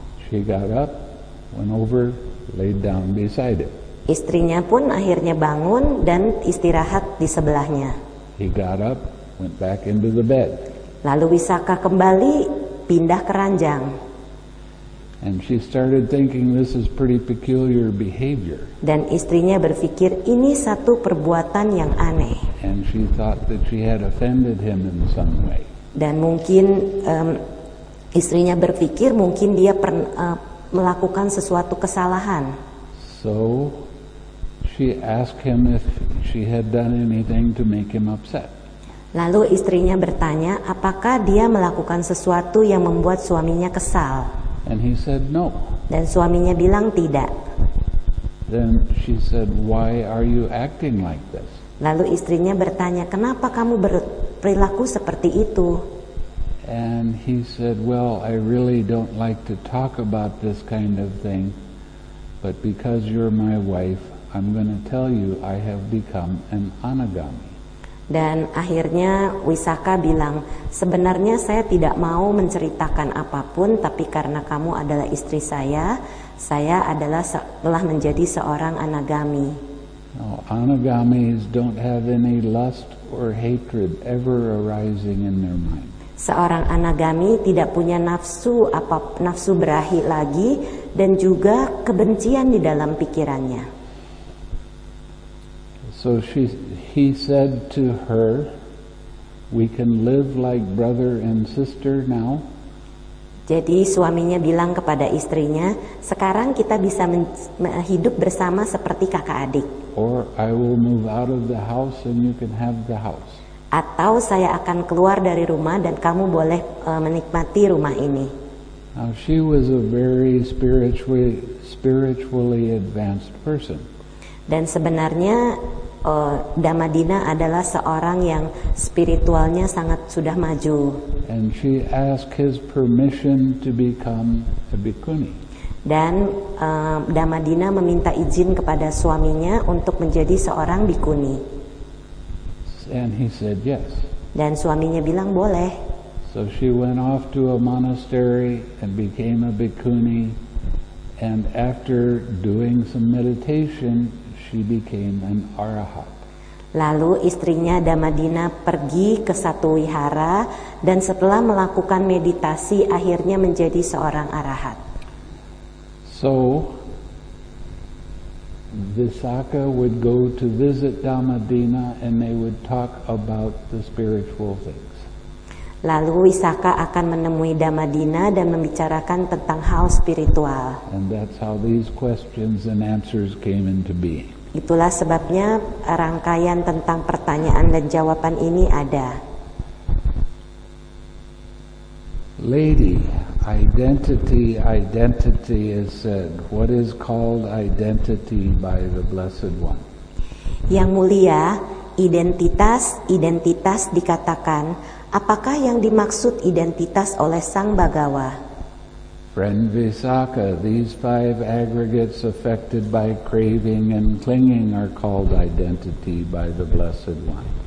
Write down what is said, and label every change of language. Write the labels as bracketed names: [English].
[English] She got up, went over, laid down beside him. [Indonesian] Istrinya pun akhirnya bangun dan istirahat di sebelahnya. [English] He got up, went back into the bed. [Indonesian] Lalu Wisaka kembali pindah ke ranjang. [English] And she started thinking this is pretty peculiar behavior. [Indonesian] Dan istrinya berpikir ini satu perbuatan yang aneh. [English] And she thought that she had offended him in some way. [Indonesian] Dan mungkin istrinya berpikir mungkin dia melakukan sesuatu kesalahan. [English] So she asked him if she had done anything to make him upset. [Indonesian] Lalu istrinya bertanya apakah dia melakukan sesuatu yang membuat suaminya kesal. [English] And he said no. [Indonesian] Dan suaminya bilang tidak. [English] Then she said, why are you acting like this? [Indonesian] Lalu istrinya bertanya kenapa kamu berperilaku seperti itu. [English] And he said, well, I really don't like to talk about this kind of thing, but because you're my wife, I'm going to tell you I have become an anagami. [Indonesian] Dan akhirnya Wisaka bilang, sebenarnya saya tidak mau menceritakan apapun, tapi karena kamu adalah istri saya adalah telah menjadi seorang anagami. [English] Now, anagamis don't have any lust or hatred ever arising in their mind. [Indonesian] Seorang anagami tidak punya nafsu berahi lagi dan juga kebencian di dalam pikirannya. [English] So she, he said to her, "We can live like brother and sister now." [Indonesian] Jadi suaminya bilang kepada istrinya, "Sekarang kita bisa hidup bersama seperti kakak adik." [English] Or I will move out of the house and you can have the house. [Indonesian] Atau saya akan keluar dari rumah dan kamu boleh menikmati rumah ini. [English] Now she was a very spiritually advanced person. [Indonesian] Dan sebenarnya Damadina adalah seorang yang spiritualnya sangat sudah maju. [English] And she asked his permission to become a bhikkhuni. [Indonesian] Dan Damadina meminta izin kepada suaminya untuk menjadi seorang bhikkhuni. [English] And he said yes. [Indonesian] Dan suaminya bilang boleh. [English] So she went off to a monastery and became a bhikkhuni, and after doing some meditation, she became an arahat. [Indonesian] Lalu istrinya Damadina pergi ke satu wihara dan setelah melakukan meditasi akhirnya menjadi seorang arahat. [English] So Visakha would go to visit Damadina and they would talk about the spiritual things. [Indonesian] Lalu Visakha akan menemui Damadina dan membicarakan tentang hal spiritual. [English] And that's how these questions and answers came into being. [Indonesian] Itulah sebabnya rangkaian tentang pertanyaan dan jawaban ini ada. [English] Lady, identity, identity is said. What is called identity by the Blessed One? [Indonesian] Yang mulia, identitas, identitas dikatakan. Apakah yang dimaksud identitas oleh Sang Bhagawa? [English] Friend Visakha, these five aggregates affected by craving and clinging are called identity by the Blessed One.